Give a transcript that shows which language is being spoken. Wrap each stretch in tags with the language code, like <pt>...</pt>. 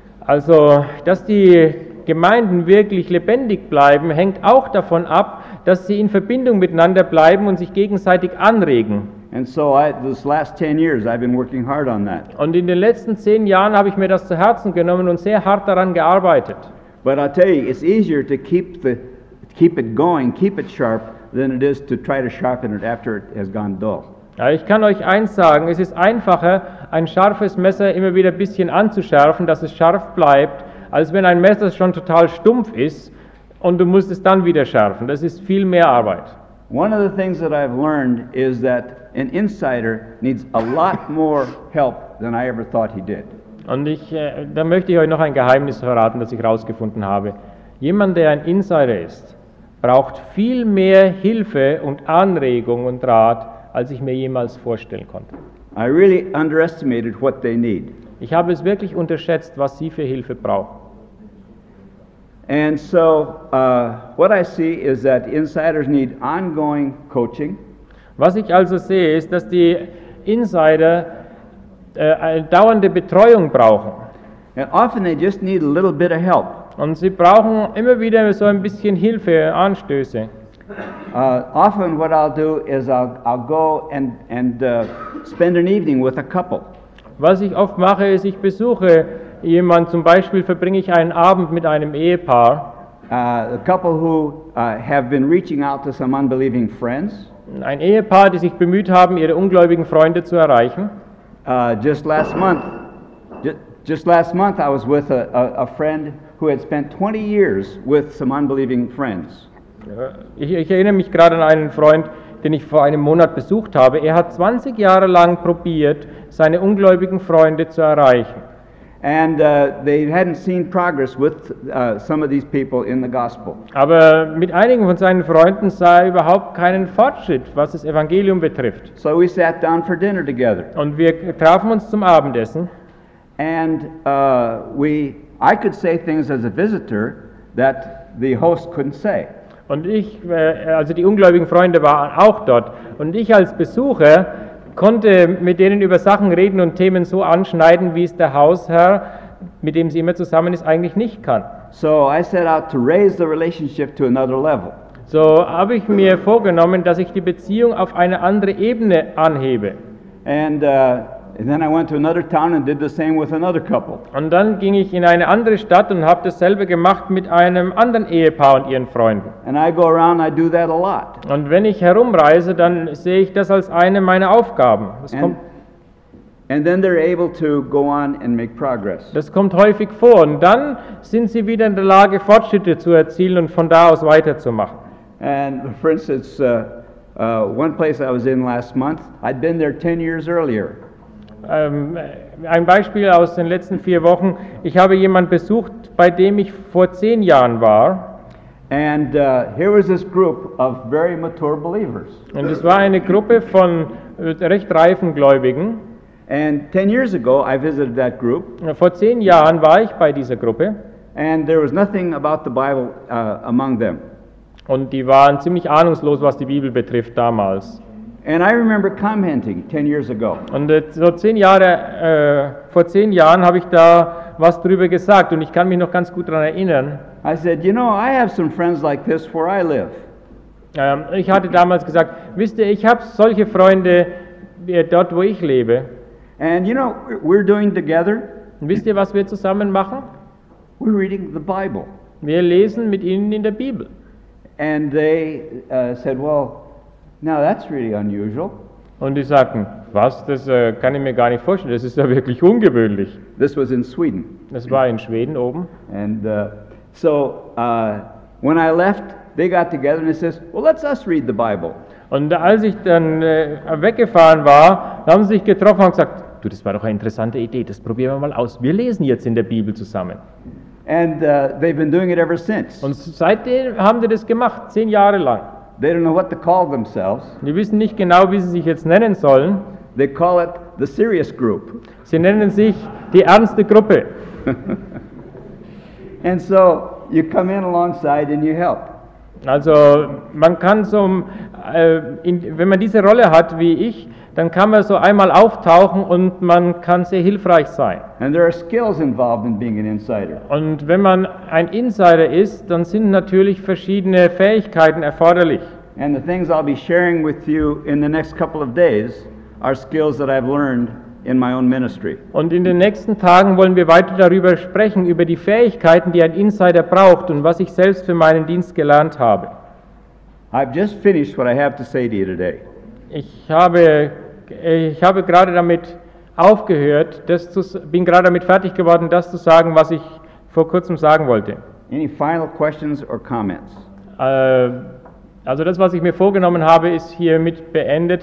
<de>Also, dass die Gemeinden wirklich lebendig bleiben, hängt auch davon ab, dass sie in Verbindung miteinander bleiben und sich gegenseitig anregen.</de> <en>And so this last 10 years I've been working hard on that.</en> <de>Und in den letzten 10 Jahren habe ich mir das zu Herzen genommen und sehr hart daran gearbeitet.</de> <en>But I tell you, it's easier to keep it going, keep it sharp than it is to try to sharpen it after it has gone dull.</en> <de>Ja, ich kann euch eins sagen, es ist einfacher, ein scharfes Messer immer wieder ein bisschen anzuschärfen, dass es scharf bleibt, als wenn ein Messer schon total stumpf ist und du musst es dann wieder schärfen. Das ist viel mehr Arbeit.</de> <en>One of the things that I've learned is that an insider needs a lot more help than I ever thought he did.</en> <de>Und da möchte ich euch noch ein Geheimnis verraten, das ich rausgefunden habe. Jemand, der ein Insider ist, braucht viel mehr Hilfe und Anregung und Rat, als ich mir jemals vorstellen konnte.</de> <en>I really underestimated what they need.</en> <de>Ich habe es wirklich unterschätzt, was sie für Hilfe brauchen.</de> <en>And so what I see is that insiders need ongoing coaching.</en> <de>Was ich also sehe, ist, dass die Insider eine dauernde Betreuung brauchen.</de> <en>And often they just need a little bit of help.</en> <de>Und sie brauchen immer wieder so ein bisschen Hilfe, Anstöße.</de> <en>Often what I'll do is I'll go and spend an evening with a couple.</en> <de>Was ich oft mache, ist, ich besuche jemand, zum Beispiel verbringe ich einen Abend mit einem Ehepaar.</de> <en>A couple who have been reaching out to some unbelieving friends.</en> <de>Ein Ehepaar, die sich bemüht haben, ihre ungläubigen Freunde zu erreichen.</de> <en>Just last month I was with a friend who had spent 20 years with some unbelieving friends.</en> <de>Ich erinnere mich gerade an einen Freund, den ich vor einem Monat besucht habe. Er hat 20 Jahre lang probiert, seine ungläubigen Freunde zu erreichen.</de> <en>And they hadn't seen progress with some of these people in the gospel.</en> <de>Aber mit einigen von seinen Freunden sah er überhaupt keinen Fortschritt, was das Evangelium betrifft.</de> <en>So we sat down for dinner together.</en> <de>Und wir trafen uns zum Abendessen.</de> <en>And I could say things as a visitor that the host couldn't say.</en> <de>Und ich, also die ungläubigen Freunde waren auch dort. Und ich als Besucher konnte mit denen über Sachen reden und Themen so anschneiden, wie es der Hausherr, mit dem sie immer zusammen ist, eigentlich nicht kann.</de> <en>So I set out to raise the relationship to another level.</en> <de>So habe ich mir vorgenommen, dass ich die Beziehung auf eine andere Ebene anhebe.</de> <en>And then I went to another town and did the same with another couple.</en> <de>Und dann ging ich in eine andere Stadt und habe dasselbe gemacht mit einem anderen Ehepaar und ihren Freunden.</de> <en>And I go around, I do that a lot.</en> <de>Und wenn ich herumreise, dann sehe ich das als eine meiner Aufgaben.</de> <en>And then they're able to go on and make progress.</en> <de>Das kommt häufig vor und dann sind sie wieder in der Lage, Fortschritte zu erzielen und von da aus weiterzumachen.</de> <en>And for instance, one place I was in last month, I'd been there 10 years earlier.</en> <de>Ein Beispiel aus den letzten vier Wochen. Ich habe jemanden besucht, bei dem ich vor 10 Jahren war.</de> <en>And here was this group of very mature believers.</en> <de>Und es war eine Gruppe von recht reifen Gläubigen.</de> <en>And 10 years ago I visited that group.</en> <de>Vor 10 Jahren war ich bei dieser Gruppe.</de> <en>And there was nothing about the Bible among them.</en> <de>Und die waren ziemlich ahnungslos, was die Bibel betrifft damals.</de> <en>And I remember commenting 10 years ago.</en> <de>Und so 10 Jahre vor 10 Jahren habe ich da was drüber gesagt und ich kann mich noch ganz gut daran erinnern.</de> <en>I said, you know, I have some friends like this where I live.</en> <de>Ich hatte damals gesagt, wisst ihr, ich habe solche Freunde dort, wo ich lebe.</de> <en>And you know, we're doing together.</en> <de>Und wisst ihr, was wir zusammen machen?</de> <en>We're reading the Bible.</en> <de>Wir lesen mit ihnen in der Bibel.</de> <en>And they said, well. Now that's really unusual.</en> <de>Und die sagten, was, das kann ich mir gar nicht vorstellen, das ist ja wirklich ungewöhnlich.</de> <en>This was in Sweden.</en> <de>Das war in Schweden oben.</de> <en>And when I left, they got together and they says, well, let's us read the Bible.</en> <de>Und als ich dann weggefahren war, haben sie sich getroffen und gesagt, du, das war doch eine interessante Idee, das probieren wir mal aus. Wir lesen jetzt in der Bibel zusammen.</de> <en>And they've been doing it ever since.</en> <de>Und seitdem haben sie das gemacht, 10 Jahre lang.</de> <en>They don't know what to call themselves.</en> <de>Die wissen nicht genau, wie sie sich jetzt nennen sollen.</de> <en>They call it the serious group.</en> <de>Sie nennen sich die ernste Gruppe.</de> <en>And so you come in alongside and you help.</en> <de>Also man kann so, wenn man diese Rolle hat wie ich, dann kann man so einmal auftauchen und man kann sehr hilfreich sein.</de> <en>And there are skills involved in being an insider.</en> <de>Und wenn man ein Insider ist, dann sind natürlich verschiedene Fähigkeiten erforderlich.</de> <en>And the things I'll be sharing with you in the next couple of days are skills that I've learned in my own ministry.</en> <de>Und in den nächsten Tagen wollen wir weiter darüber sprechen, über die Fähigkeiten, die ein Insider braucht und was ich selbst für meinen Dienst gelernt habe.</de> <en>I've just finished what I have to say to you today.</en> <de>Ich habe gerade damit aufgehört, bin gerade damit fertig geworden, das zu sagen, was ich vor kurzem sagen wollte.</de> <en>Any final questions or comments?</en> <de>Also das, was ich mir vorgenommen habe, ist hiermit beendet.</de>